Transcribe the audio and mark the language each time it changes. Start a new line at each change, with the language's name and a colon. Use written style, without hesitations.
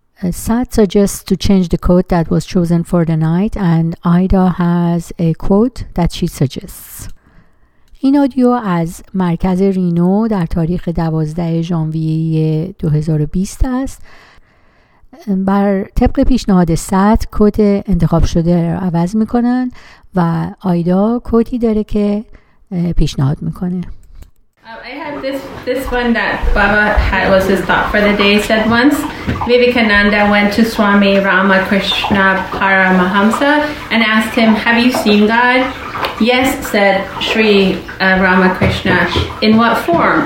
English: Sat suggests to change the quote that was chosen for the night, and Ida has a quote that she suggests.
Persian: این آدیو از مرکز رینو در تاریخ 12 ژانویه 2020 است. بر طبق پیشنهاد سات کد انتخاب شده را عوض میکنن و آیدا کدی داره که پیشنهاد میکنه.
English: I had this one that Baba had was his thought for the day. He said once Vivekananda went to Swami Ramakrishna Paramahamsa and asked him, "Have you seen God?" "Yes," said Sri Ramakrishna. "In what form?"